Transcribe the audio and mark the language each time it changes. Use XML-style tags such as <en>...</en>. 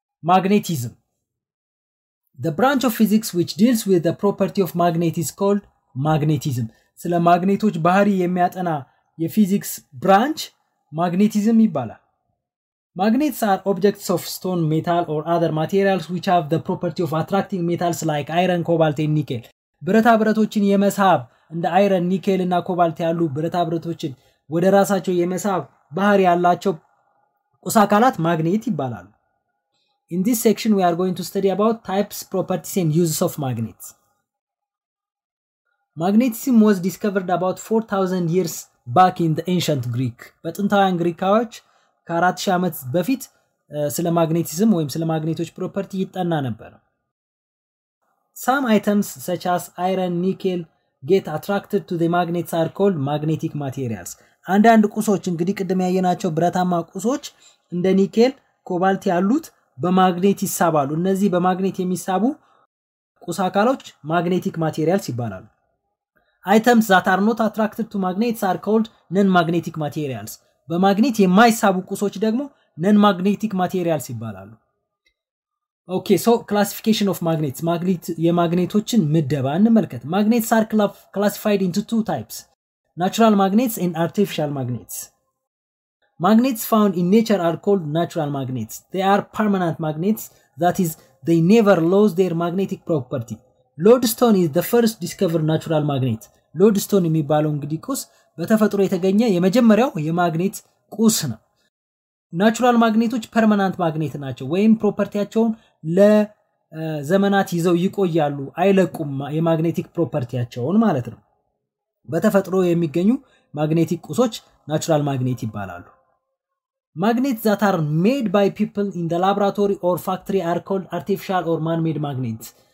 <en>ማግኔቲዝም the branch of physics which deals with the property of magnet is called magnetism</en> <am>ስለ ማግኔቶች ባህሪ የሚያጠና የፊዚክስ ብራንች magnetism ይባላል</am> <en>magnets are objects of stone metal or other materials which have the property of attracting metals like iron cobalt and nickel</en> <am>ብረታ ብረቶችን የመሳብ እንደ iron nickel እና cobalt ያሉ ብረታ ብረቶችን ወደ ራሳቸው የመሳብ ባህሪ ያላቸው ቁሳካላት magnet ይባላሉ</am> <en>in this section we are going to study about types properties and uses of magnets Magnetism was discovered about 4000 years back in the ancient Greek.</en> <am>በጥንታውያን ግሪካውያን ከ4000 ዓመት በፊት ስለ ማግኔቲዝም ወይም ስለ ማግኔቶች ፕሮፐርቲ ይጠና ነበር።</am> <en>Some items such as iron, nickel get attracted to the magnets are called magnetic materials.</en> <am>አንዳንድ ቁሶች እንግዲህ ቀደም ያየናቸው ብረታማ ቁሶች እንደ ኒኬል፣ ኮባልት ያሉት በማግኔት ይሳባሉ። እነዚህ በማግኔት የሚሳቡ ቁሳካሎች magnetic materials ይባላሉ።</am> <en>Items that are not attracted to magnets are called non-magnetic materials.</en> <am>በማግኔት የማይሳቡ ቁሶች ደግሞ non-magnetic materials ይባላሉ።</am> <en>Okay, so classification of magnets.</en> <am>የማግኔቶችን ምደባ እንመልከት።</am> <en>Magnets are classified into two types. Natural magnets and artificial magnets. Magnets found in nature are called natural magnets. They are permanent magnets. That is, they never lose their magnetic property. Lodestone is the first discovered natural magnet.</en> <am>Lodestone የሚባለው እንግዲህ ቁስ በተፈጥሮ የተገኘ የመጀመሪያው የማግኔት ቁስ ነው። Natural magnets permanent magnet ናቸው ወይም ፕሮፐርቲያቸውን ለዘመናት ይዘው ይቆያሉ አይለቁም የማግኔቲክ ፕሮፐርቲያቸውን ማለት ነው። በተፈጥሮ የሚገኙ ማግኔቲክ ቁሶች natural magnet ይባላሉ።</am> <en>Magnets that are made by people in the laboratory or factory are called artificial or man-made magnets.</en>